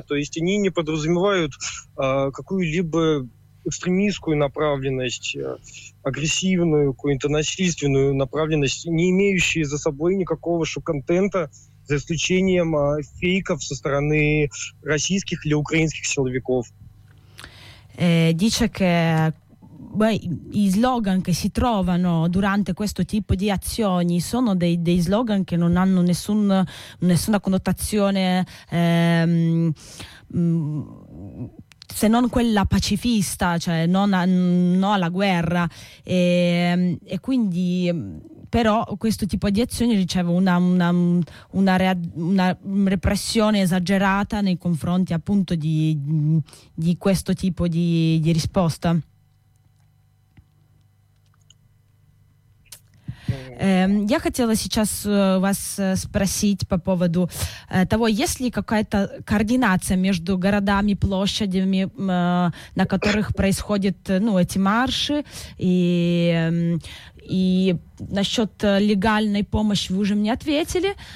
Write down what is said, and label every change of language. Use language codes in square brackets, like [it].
[ru] То есть они не подразумевают какую-либо экстремистскую направленность, агрессивную, какую-то насильственную направленность, не имеющие за собой никакого шок-контента, за исключением фейков со стороны российских или украинских силовиков. [it] Дичек, gli slogan che si trovano durante questo tipo di azioni sono dei slogan che non hanno nessuna connotazione se non quella pacifista, cioè non alla guerra, e quindi però questo tipo di azioni riceve una repressione esagerata nei confronti appunto di questo tipo di risposta. [ru] Я хотела сейчас вас спросить по поводу того, есть ли какая-то координация между городами, площадями, на которых происходят, ну, эти марши, и насчет легальной помощи вы уже мне ответили.